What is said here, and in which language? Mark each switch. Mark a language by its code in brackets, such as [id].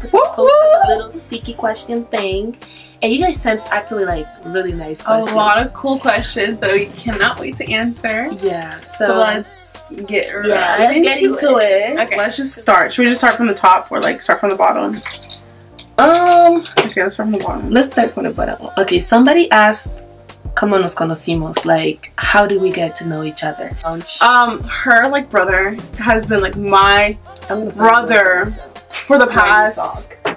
[en] This is a little sticky question thing. And you guys sent actually like really nice questions. A lot of cool questions that we cannot wait to answer. Yeah, so let's get into it. Okay. Let's just start. Should we just start from the top or like start from the bottom? Okay, let's start from the bottom. Let's start from the bottom. Okay, somebody asked, [es] ¿cómo nos conocimos? [en] Like, how did we get to know each other? Her like brother has been like my brother for the past.